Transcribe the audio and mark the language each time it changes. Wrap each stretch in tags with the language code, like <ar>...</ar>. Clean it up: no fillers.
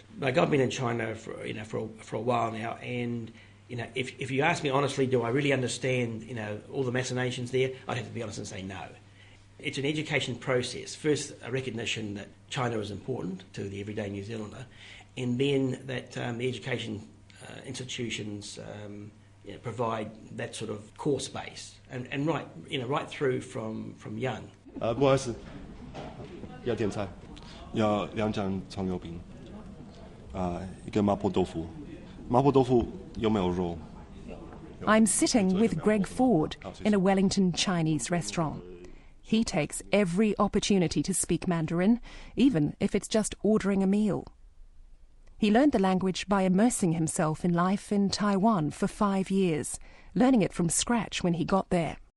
<en>Like, I've been in China for a while now, and you know, if you ask me honestly, do I really understand, all the machinations there, I'd have to be honest and say no. It's an education process. First, a recognition that China is important to the everyday New Zealander, and then that the education institutions provide that sort of core space. And right, right through from young.</en> <zh>不好意思, 要点菜, 要两张葱油饼, 一个麻婆豆腐, 麻婆豆腐,</zh> <en>I'm sitting with Greg Ford in a Wellington Chinese restaurant. He takes every opportunity to speak Mandarin, even if it's just ordering a meal. He learned the language by immersing himself in life in Taiwan for 5 years, learning it from scratch when he got there.</en>